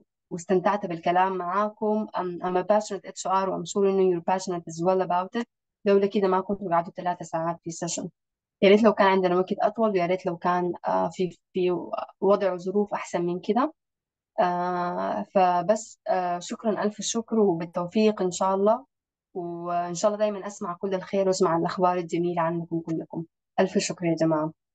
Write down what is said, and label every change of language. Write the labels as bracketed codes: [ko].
[ar] واستمتعت بالكلام معاكم. [en] I'm a passionate HR and I'm sure you know you're passionate as well about it. [ar] لولا كده ما كنت قعدت 3 ساعات في السيشن. يا ريت لو كان عندنا وقت أطول، ويا ريت لو كان في وضع وظروف أحسن من كده. فبس شكرا ألف الشكر، وبالتوفيق إن شاء الله، وإن شاء الله دايما أسمع كل الخير وأسمع الأخبار الجميلة عنكم كلكم. ألف شكر يا جماعة.